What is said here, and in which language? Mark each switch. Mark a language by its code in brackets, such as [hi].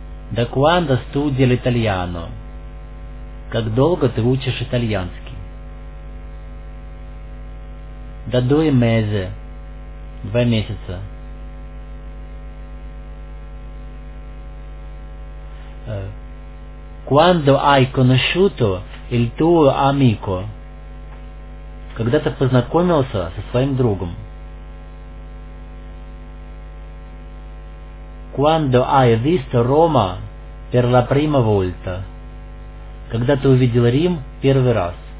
[it] Da quando studi l'italiano? [ru] Как долго ты учишь итальянский? [it] Da due mesi, [ru] 2 месяца. [it] Quando hai conosciuto il tuo amico? [ru] Когда ты познакомился со своим другом? [it] Quando hai visto Roma per la prima volta? [ru] Когда ты увидел Рим первый раз?